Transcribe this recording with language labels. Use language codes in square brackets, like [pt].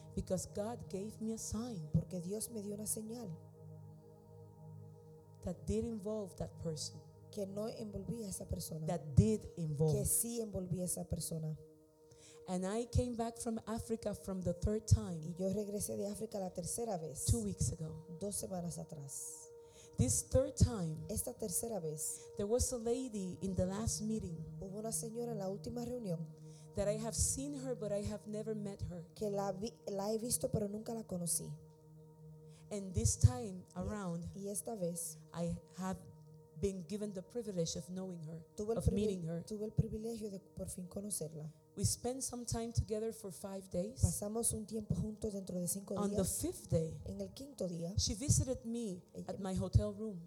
[en] Because God gave me a sign. [es] Porque Dios me dio una señal. [en] That did involve that person. [es] Que no envolvía a esa persona. [en] That did involve. [es] Que sí envolvía a esa persona. [en] And I came back from Africa from the third time. [es] Y yo regresé de África la tercera vez. [en] 2 weeks ago. [es] 2 semanas atrás. [en] This third time, [es] esta tercera vez, [en] there was a lady in the last meeting. [es] Hubo una señora en la última reunión. [en] That I have seen her, but I have never met her. [es] Que la he visto, pero nunca la conocí. [en] And this time around, [es] y esta vez, [en] I have been given the privilege of knowing her, of meeting her. [es] Tuve el privilegio de por fin conocerla. [en] We spent some time together for 5 days. [es] Pasamos un tiempo juntos dentro de 5 días. [en] On the fifth day, [es] en el quinto día, [en] she visited me at my hotel room.